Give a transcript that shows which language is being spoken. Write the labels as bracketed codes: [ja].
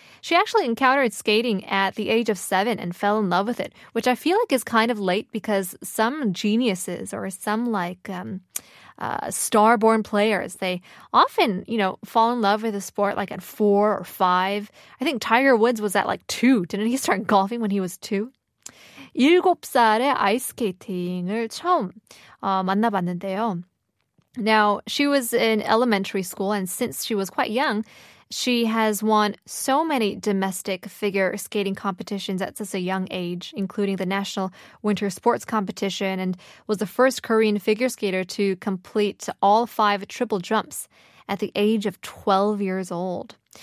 [en] She actually encountered skating at the age of 7 and fell in love with it, which I feel like is kind of late because some geniuses or some like star-born players, they often, you know, fall in love with a sport like at 4 or 5. I think Tiger Woods was at like 2. Didn't he start golfing when he was 2? [ko] 7살에 아이스케이팅을 처음 만나봤는데요. [en] Now, she was in elementary school, and since she was quite young, she has won so many domestic figure skating competitions at such a young age, including the National Winter Sports Competition, and was the first Korean figure skater to complete all 5 triple jumps at the age of 12 years old.